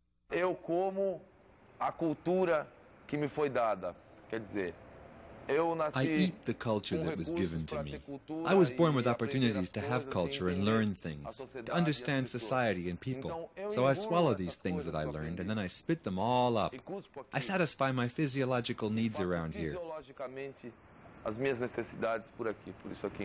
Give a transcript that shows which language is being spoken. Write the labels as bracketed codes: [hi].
[pt] Eu como a cultura que me foi dada. Quer dizer, eu nasci. [en] I eat the culture that was given to me. I was born with opportunities to have culture and learn things, to understand society and people. So I swallow these things that I learned and then I spit them all up. I satisfy my physiological needs around here. [pt] Fisiologicamente as minhas necessidades por aqui, por isso aqui.